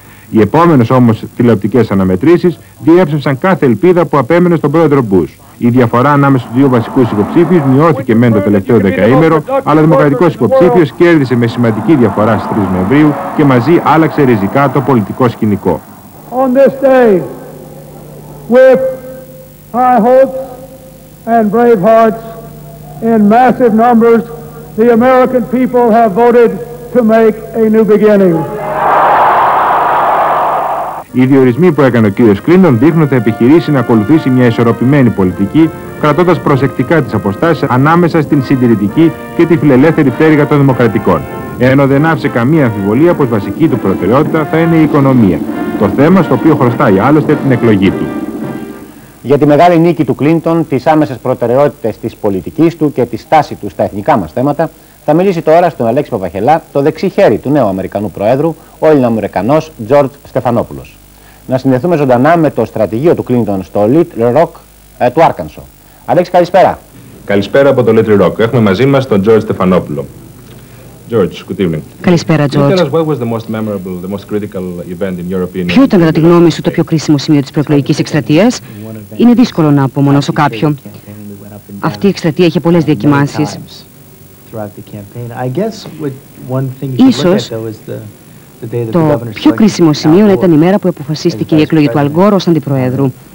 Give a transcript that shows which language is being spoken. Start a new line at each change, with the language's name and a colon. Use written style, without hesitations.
Greek: Οι επόμενες όμως τηλεοπτικές αναμετρήσεις διέψευσαν κάθε ελπίδα που απέμενε στον πρόεδρο Bush. Η διαφορά ανάμεσα στους δύο βασικούς υποψήφιους μειώθηκε μεν το τελευταίο δεκαήμερο, αλλά ο Δημοκρατικός υποψήφιος κέρδισε με σημαντική διαφορά στις 3 Νοεμβρίου και μαζί άλλαξε ριζικά το πολιτικό σκηνικό.
English: On this day, with high hopes and brave hearts, in massive numbers, the American people have voted to make a new beginning.
Greek: Οι διορισμοί που έκανε ο κ. Clinton δείχνουν ότι θα επιχειρήσει να ακολουθήσει μια ισορροπημένη πολιτική, κρατώντας προσεκτικά τις αποστάσεις ανάμεσα στην συντηρητική και τη φιλελεύθερη πτέρυγα των δημοκρατικών. Ενώ δεν άφησε καμία αμφιβολία πως βασική του προτεραιότητα θα είναι η οικονομία, το θέμα στο οποίο χρωστάει άλλωστε την εκλογή του. Για τη μεγάλη νίκη του Clinton, τις άμεσες προτεραιότητες της πολιτικής του και τη στάση του στα εθνικά μας θέματα, θα μιλήσει τώρα στον Αλέξη Παπαχελά, το δεξί χέρι του νέου Αμερικανού Προέδρου, ο Ελληνοαμερικανός George Stephanopoulos. Να συνδεθούμε ζωντανά με το στρατηγείο του Clinton στο Little Rock του Άρκανσο. Αλέξη, καλησπέρα. Καλησπέρα από το Little Rock. Έχουμε μαζί μας τον George Stephanopoulo.
English: George, good evening.
Greek: Καλησπέρα, George.
English: What was the most memorable, the most critical event in European...
Greek: Ποιο ήταν κατά τη γνώμη σου το πιο κρίσιμο σημείο της προεκλογικής εκστρατείας? Είναι δύσκολο να απομονώσω κάποιον. Αυτή η εκστρατεία είχε πολλές διακυμάνσεις. Ίσως το πιο κρίσιμο σημείο ήταν η μέρα που αποφασίστηκε η εκλογή του Al Gore ως αντιπροέδρου.